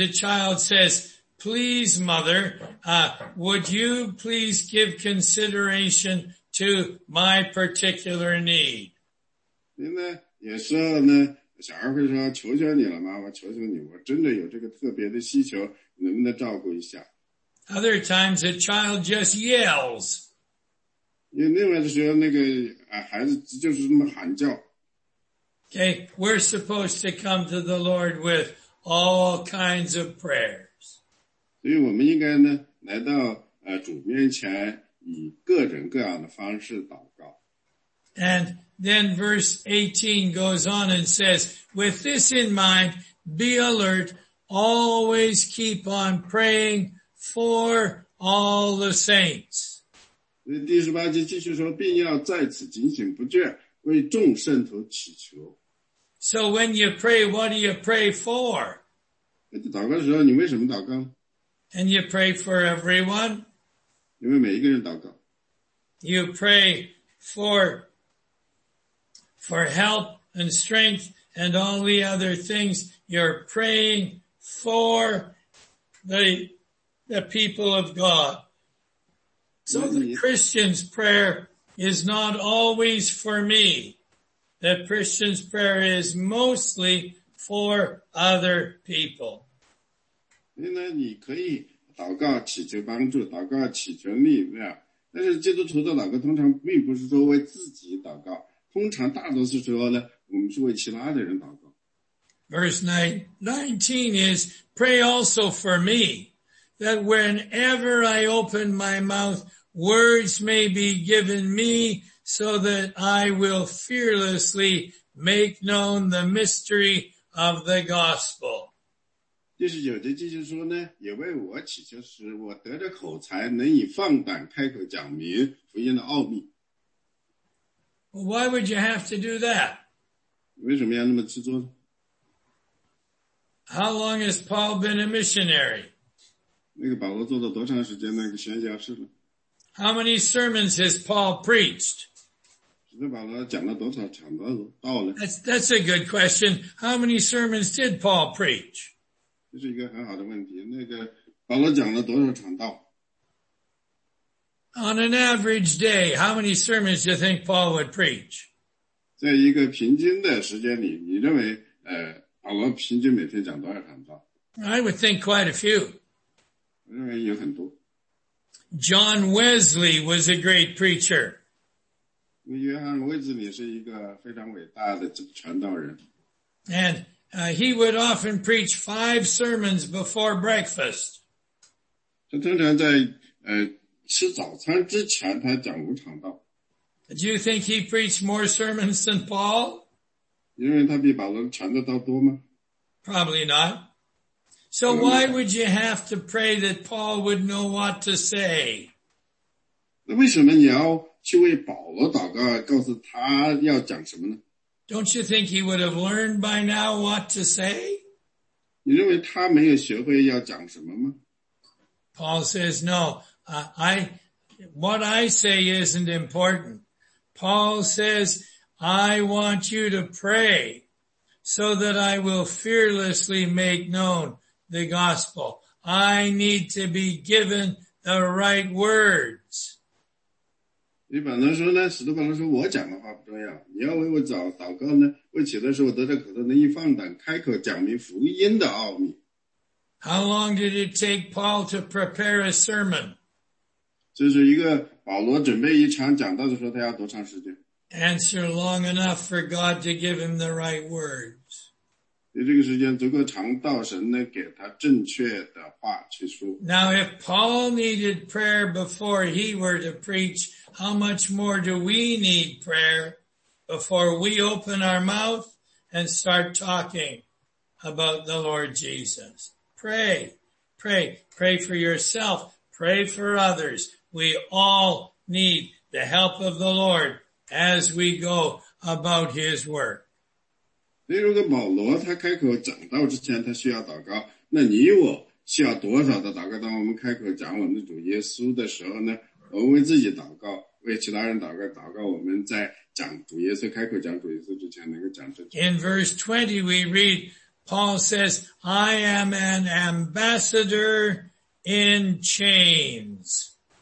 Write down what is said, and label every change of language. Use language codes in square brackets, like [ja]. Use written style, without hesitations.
[en] a child says, please, mother, would you please give consideration to my particular need? [zh] 因为有时候呢，小孩会说：“求求你了，妈妈，求求你，我真的有这个特别的需求，能不能照顾一下？” [en] Other times, a child just yells. [zh] 因为另外的时候，那个孩子就是这么喊叫。 [en] Okay, we're supposed to come to the Lord with all kinds of prayers. [zh] 所以我们应该呢来到主面前以各种各样的方式祷告。 [en] And then verse 18 goes on and says, with this in mind, be alert, always keep on praying for all the saints. [zh] 第十八节继续说，并要在此警醒不倦，为众圣徒祈求。 [en] So when you pray, what do you pray for? [zh] 祷告的时候，你为什么祷告？ [en] And you pray for everyone. [zh] 你为每一个人祷告。 [en] You pray for help and strength and all the other things. You're praying for the people of God. So the Christian's prayer is not always for me. The Christian's prayer is mostly for other people. [zh] 那你可以祷告祈求帮助，祷告祈求力量。但是基督徒的祷告通常并不是说为自己祷告，通常大多数时候呢，我们是为其他的人祷告。 [en] Verse 19 is, pray also for me, that whenever I open my mouth, words may be given me,So that I will fearlessly make known the mystery of the gospel. [zh] 第十九节继续说呢，也为我祈求时，我得着口才，能以放胆开口讲明福音的奥秘。 [en] Well, why would you have to do that? [zh] 为什么要那么执着呢？ [en] How long has Paul been a missionary? [zh] 那个保罗做了多长时间那个宣教士了？ [en] How many sermons has Paul preached? That's a good question. How many sermons did Paul preach? [zh] 这是一个很好的问题。那个保罗讲了多少场道？ [en] On an average day, how many sermons do you think Paul would preach? [zh] 在一个平均的时间里，你认为保罗平均每天讲多少场道？ [en] I would think quite a few. [zh] 我认为有很多。 [en] John Wesley was a great preacher. [zh] 约翰·威兹里是一个非常伟大的传道人。 [en] And, he would often preach 5 sermons before breakfast. [zh] 他通常在吃早餐之前他讲五场道。 [en] Do you think he preached more sermons than Paul? [zh] 因为他比保罗传的道多吗？ [en] Probably not. So why would you have to pray that Paul would know what to say? [zh] 那为什么你要去为保罗祷告，告诉他要讲什么呢？ [en] Don't you think he would have learned by now what to say? [zh] 你认为他没有学会要讲什么吗？ [en] Paul says, no, what I say isn't important. Paul says, I want you to pray so that I will fearlessly make known the gospel. I need to be given the right words. [zh] 你本来说呢，使徒本来说我讲的话不重要，你要为我找祷告呢，为起的时候得着口才，能一放胆开口讲明福音的奥秘。 [en] How long did it take Paul to prepare a sermon? [zh] 这是一个保罗准备一场讲道的时候，他要多长时间？ [en] Answer long enough for God to give him the right words. [zh] 你这个时间足够长，道神呢给他正确的话去说。 [en] Now if Paul needed prayer before he were to preach,How much more do we need prayer before we open our mouth and start talking about the Lord Jesus? Pray, pray, pray for yourself, pray for others. We all need the help of the Lord as we go about His work. [zh] 如果保罗他开口讲道之前他需要祷告，那你我需要多少的祷告？当我们开口讲我们的主耶稣的时候呢？我们为自己祷告。为其他人祷告，祷告我们在讲主耶稣开口讲主耶稣之前能够讲这。 [en] In verse 20, we read, Paul says, I am an ambassador in chains.